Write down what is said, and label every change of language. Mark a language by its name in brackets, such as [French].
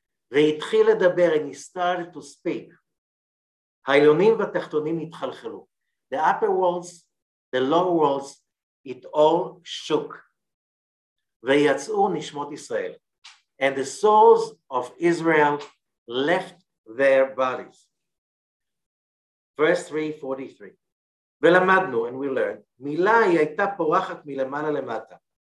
[Hebrew] והתחיל לדבר [English] and He started to speak. [Hebrew] העליונים והתחתונים התחלחלו. [English] The upper worlds. The lower worlds, it all shook. [Hebrew] Ve'yatzu nishmot Yisrael. [English] And the souls of Israel left their bodies. Verse 3:43. [Hebrew] Ve'lamadnu, [English] and we learned, [Hebrew] Mila yaita porachat milemala lemata.